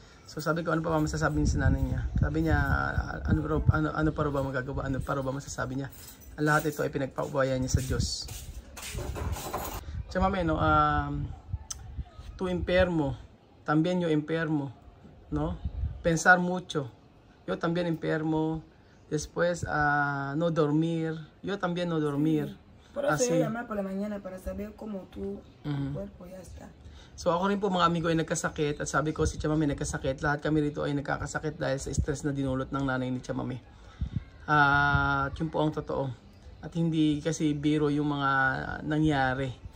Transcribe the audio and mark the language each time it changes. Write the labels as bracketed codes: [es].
[tl] So sabi ko, ano pa ba masasabi niya sa nanay niya? Sabi niya, ano pa rin ba magagawa? Ano pa rin ba masasabi niya? Lahat ito ay pinagpaubayan niya sa Diyos. Tiyo, mami, no? [es] Tu impermo, también yo impermo, no? Pensar mucho. Yo también enfermo. Después, no dormir. Yo también no dormir. Sí. Por eso así. Yo llamé por la mañana para saber cómo tu cuerpo ya está. [tl] So ako rin po mga amigo ay nagkasakit at sabi ko si Tia Mami nagkasakit. Lahat kami rito ay nagkakasakit dahil sa stress na dinulot ng nanay ni Tia Mami. At yun po ang totoo. At hindi kasi biro yung mga nangyari.